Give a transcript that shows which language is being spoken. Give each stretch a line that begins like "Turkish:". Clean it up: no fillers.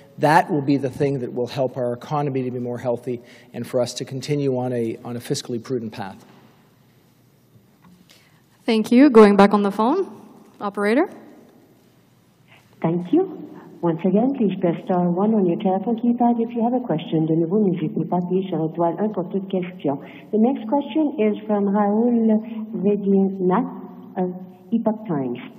English: That will be the thing that will help our economy to be more healthy and for us to continue on a fiscally prudent path. Thank you. Going back on the phone, operator. Thank you. Once again, please press star 1 on your telephone keypad if you have a question.
French: De nouveau, n'hésitez pas à appuyer sur étoile 1 pour toute question.
English: The next question is from Raoul Vedina of Epoch Times.